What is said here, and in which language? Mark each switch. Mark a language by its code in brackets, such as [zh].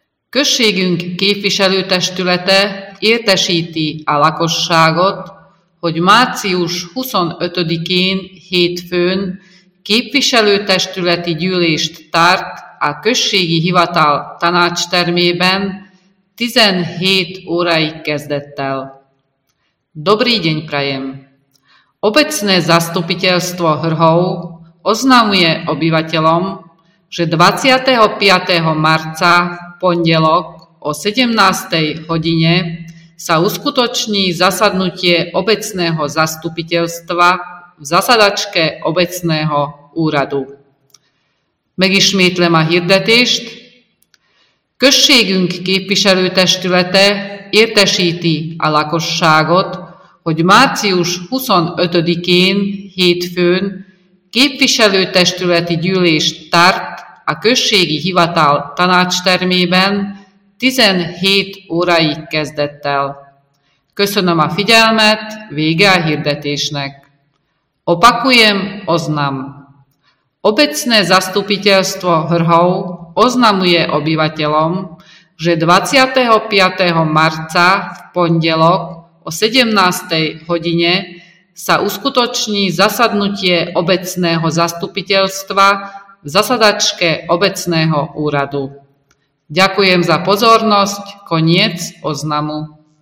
[hu] Községünk képviselőtestülete értesíti a lakosságot, hogy március 25-én hétfőn képviselőtestületi gyűlést tart a községi hivatal tanácstermében 17 óráig kezdettel. [sk] Dobrý deň prajem! Obecné zastupiteľstvo Hrhov oznamuje obyvateľom, že 25. marca v pondelok o 17. hodine sa uskutoční zasadnutie obecného zastupiteľstva v zasadačke obecného úradu. [hu] Megismétlem a hirdetést. Községünk képviselőtestülete értesíti a lakosságot, hogy március 25-én hétfőn képviselőtestületi gyűlést tart a községi hivatal tanácstermében 17 óráig kezdettel. Köszönöm a figyelmet, vége a hirdetésnek. [sk] Opakujem, oznam. Obecné zastupiteľstvo Hrhov oznamuje obyvateľom, že 25. marca v pondelok o 17. hodine sa uskutoční zasadnutie obecného zastupiteľstva v zasadačke obecného úradu. Ďakujem za pozornosť. Koniec oznamu.